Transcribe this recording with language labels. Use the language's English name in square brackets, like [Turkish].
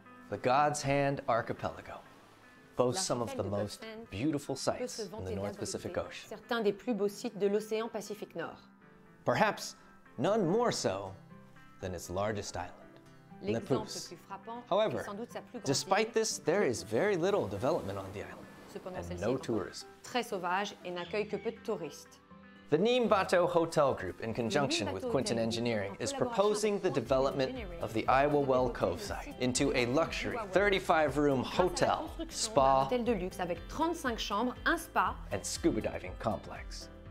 [English] The God's Hand Archipelago. Boasts some of the most beautiful sites in the North Pacific Ocean. [French] Certains des plus beaux sites de l'océan Pacifique Nord. [English] Perhaps none more so than its largest island, Lepus. However, despite this, there is very little development on the island, and no tourism. [French] Très sauvage et n'accueille que peu de touristes. [English] The Neem Bato Hotel Group, in conjunction with Quinton Engineering, is proposing the development of the Iowa Well Cove site into a luxury 35-room hotel, spa, and scuba diving complex.